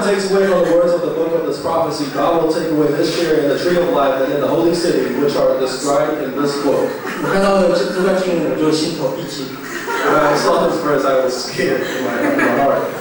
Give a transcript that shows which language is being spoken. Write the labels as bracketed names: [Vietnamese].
[English] takes away from the words of the book of this prophecy, God will take away this year in the tree of life and in the holy city, which are described in this book. [Chinese] 我看到了这段经文，我就心头一惊。 [English] When I saw this verse, I was scared in my heart.